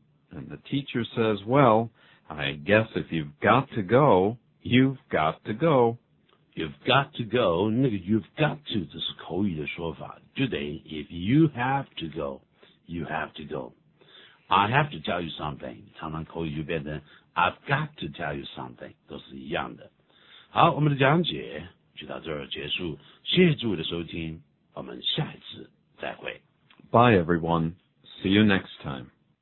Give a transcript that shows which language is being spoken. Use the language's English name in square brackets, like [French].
[English] And the teacher says, Well, I guess if you've got to go, you've got to go. You've got to go, [Chinese] 那个 you've got to, 这是口语的说法。 [English] Today, if you have to go, you have to go. I have to tell you something. [Chinese] 常常口语就变成 [English] I've got to tell you something, [Chinese] 都是一样的。好，我们的讲解就到这儿结束。谢谢诸位的收听。我们下一次再会。 [English] Bye, everyone. See you next time.